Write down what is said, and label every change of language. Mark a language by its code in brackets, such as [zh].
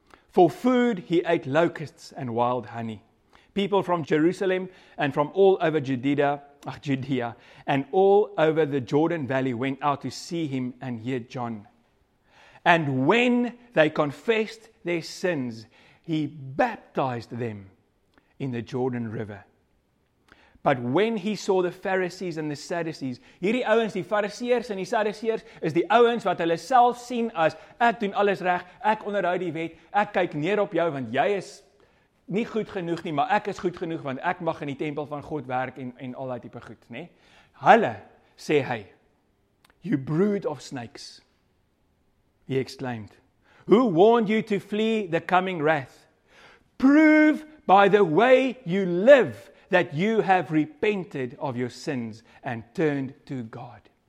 [en] For food he ate locusts and wild honey. People from Jerusalem and from all over Judea and all over the Jordan Valley went out to see him and hear John. And when they confessed their sins, he baptized them in the Jordan River. But when he saw the Pharisees and the Sadducees, [af] hierdie ouens, die Fariseërs en die Sadduseërs, is die ouens wat hulle self sien as, ek doen alles reg, ek onderhou die wet, ek kyk neer op jou want jy is nie goed genoeg nie, maar ek is goed genoeg, want ek mag in die tempel van God werk en al die type goed, nee. Hulle, sê hy, [en] you brood of snakes, he exclaimed, who warned you to flee the coming wrath? Prove by the way you live that you have repented of your sins and turned to God.